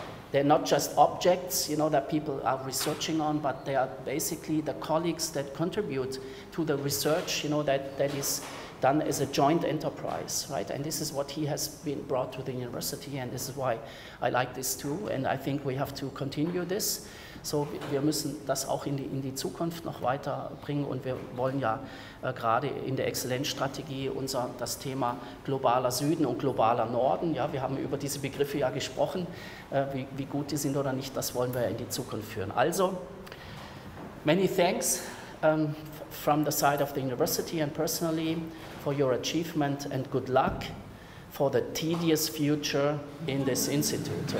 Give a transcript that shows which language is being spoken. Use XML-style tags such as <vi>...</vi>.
<en>They're not just objects, you know, that people are researching on, but they are basically the colleagues that contribute to the research, you know, that is done as a joint enterprise, right? And this is what he has been brought to the university, and this is why I like this too, and I think we have to continue this.</en> <de>So wir müssen das auch in die Zukunft noch weiter bringen, und wir wollen ja gerade in der Exzellenzstrategie das Thema globaler Süden und globaler Norden, ja, wir haben über diese Begriffe ja gesprochen, wie gut die sind oder nicht, das wollen wir ja in die Zukunft führen.</de> <en>Also, many thanks from the side of the university and personally for your achievement and good luck for the tedious future in this institute.</en>